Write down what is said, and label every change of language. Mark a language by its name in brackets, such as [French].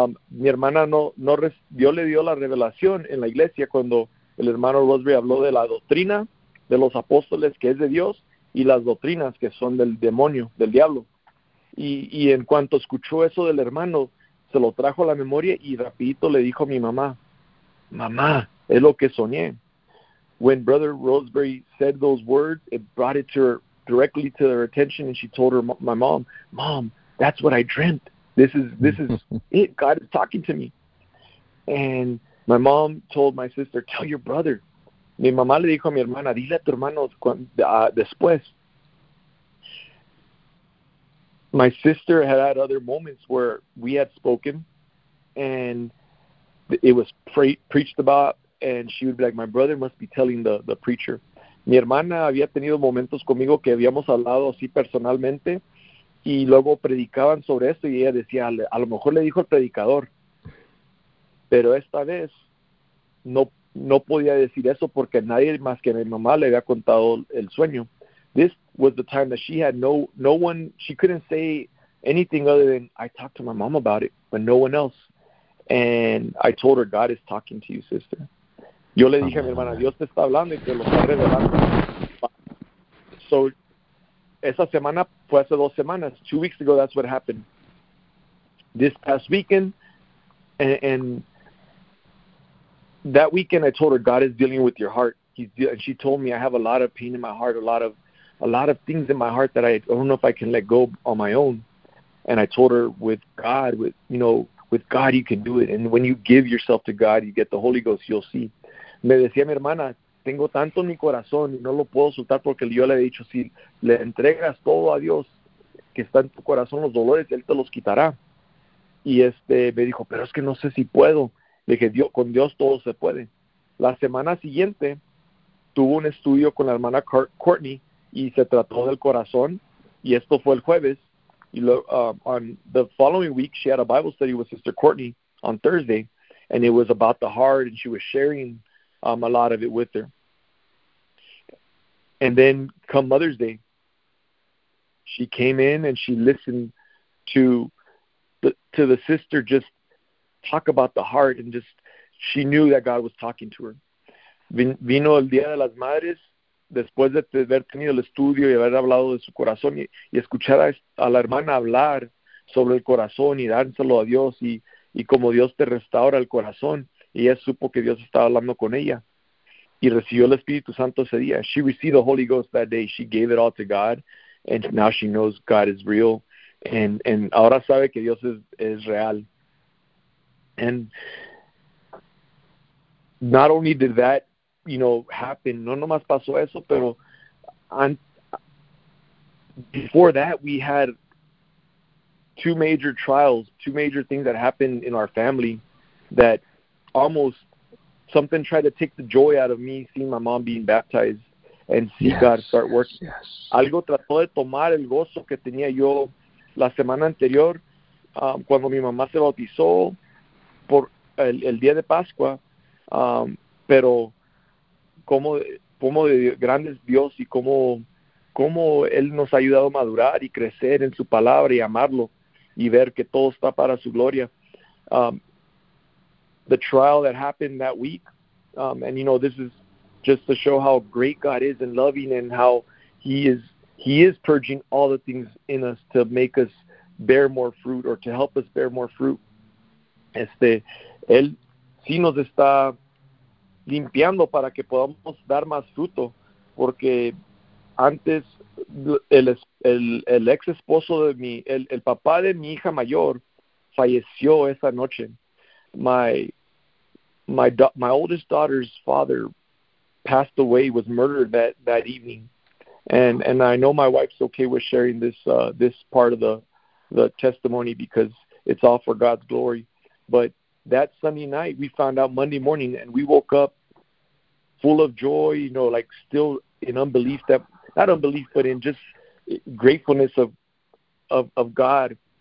[Spanish] Mi hermana no res, Dios le dio la revelación en la iglesia cuando el hermano Rosemary habló de la doctrina de los apóstoles, que es de Dios, y las doctrinas que son del demonio, del diablo. Y en cuanto escuchó eso del hermano, se lo trajo a la memoria y rapidito le dijo a mi mamá, mamá, es lo que soñé. [English] When Brother Rosemary said those words, it brought it to her, directly to her attention, and she told her, my mom, mom, that's what I dreamt. This is it. God is talking to me. And my mom told my sister, tell your brother. [Spanish] Mi mamá le dijo a mi hermana, dile a tu hermano después. [English] My sister had other moments where we had spoken and it was preached about, and she would be like, my brother must be telling the preacher. [Spanish] Mi hermana había tenido momentos conmigo que habíamos hablado así personalmente, y luego predicaban sobre esto, y ella decía, a lo mejor le dijo el predicador. Pero esta vez no podía decir eso porque nadie más que mi mamá le había contado el sueño. [English] This was the time that she had no one, she couldn't say anything other than, I talked to my mom about it, but no one else. And I told her, God is talking to you, sister. [Spanish] Yo le dije a mi hermana, Dios te está hablando y te lo está revelando. [English] So, [Spanish] esa semana fue hace 2 semanas, [English] 2 weeks ago, that's what happened. This past weekend, and that weekend I told her, God is dealing with your heart. And she told me, I have a lot of pain in my heart, a lot of things in my heart that I don't know if I can let go on my own. And I told her, with God, you can do it. And when you give yourself to God, you get the Holy Ghost, you'll see. [Spanish] Me decía mi hermana, tengo tanto en mi corazón y no lo puedo soltar porque yo le he dicho, si le entregas todo a Dios, que está en tu corazón los dolores, Él te los quitará. Y me dijo, pero es que no sé si puedo. Le dije, Dios, con Dios todo se puede. La semana siguiente tuvo un estudio con la hermana Courtney y se trató del corazón. Y esto fue el jueves. [English] On the following week, she had a Bible study with Sister Courtney on Thursday, and it was about the heart, and she was sharing a lot of it with her. And then come Mother's Day, she came in and she listened to the sister just talk about the heart, and just she knew that God was talking to her. [Spanish] Vino el Día de las Madres, después de haber tenido el estudio y haber hablado de su corazón y escuchar a la hermana hablar sobre el corazón y dárselo a Dios y cómo Dios te restaura el corazón. Y ella supo que Dios estaba hablando con ella y recibió el Espíritu Santo ese día. [English] She received the Holy Ghost that day. She gave it all to God, and now she knows God is real. [Spanish] And ahora sabe que Dios es real. [English] And not only did that, happen, [Spanish] no nomás pasó eso, pero [English] before that we had two major trials, two major things that happened in our family that almost something tried to take the joy out of me seeing my mom being baptized and see God Yes, start yes, yes. [Spanish] Algo trató de tomar el gozo que tenía yo la semana anterior, cuando mi mamá se bautizó por el día de Pascua, pero cómo de grande es Dios y cómo Él nos ha ayudado a madurar y crecer en su palabra y amarlo y ver que todo está para su gloria. [English] The trial that happened that week, and this is just to show how great God is and loving, and how He is purging all the things in us to make us bear more fruit, or to help us bear more fruit. [Spanish] Él sí nos está limpiando para que podamos dar más fruto, porque antes el ex esposo de mi, el papá de mi hija mayor falleció esa noche. [English] My oldest daughter's father passed away, was murdered that evening. And I know my wife's okay with sharing this this part of the testimony because it's all for God's glory. But that Sunday night, we found out Monday morning, and we woke up full of joy, you know, like still in unbelief, that not unbelief, but in just gratefulness of God.